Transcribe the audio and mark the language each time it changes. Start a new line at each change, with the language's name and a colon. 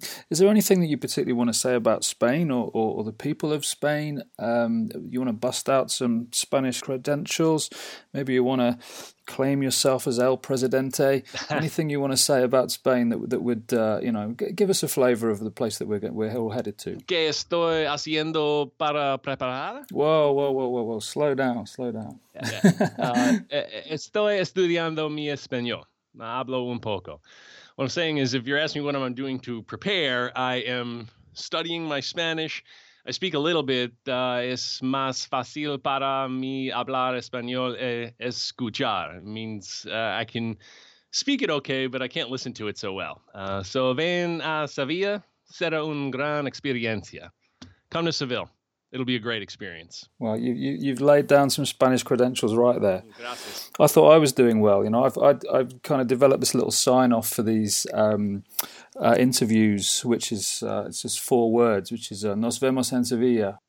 English: Is there anything that you particularly want to say about Spain or the people of Spain? You want to bust out some Spanish credentials? Maybe you want to claim yourself as El Presidente? Anything you want to say about Spain that would, you know, give us a flavor of the place that we're all headed to?
Spanish: ¿Qué estoy haciendo para preparar?
English: Whoa. Slow down. Yeah.
Spanish: estoy estudiando mi español. Hablo un poco.
English: What I'm saying is, if you're asking me what I'm doing to prepare, I am studying my Spanish. I speak a little bit.
Spanish: Es más fácil para mí hablar español escuchar.
English: It means I can speak it okay, but I can't listen to it so well.
Spanish: So ven a Sevilla, será una gran experiencia.
English: Come to Seville. It'll be a great experience. Well, you've laid down some Spanish credentials right there.
Spanish: Gracias.
English: I thought I was doing well. You know, I've kind of developed this little sign off for these interviews, which is it's just four words, which is
Spanish: "Nos vemos en Sevilla."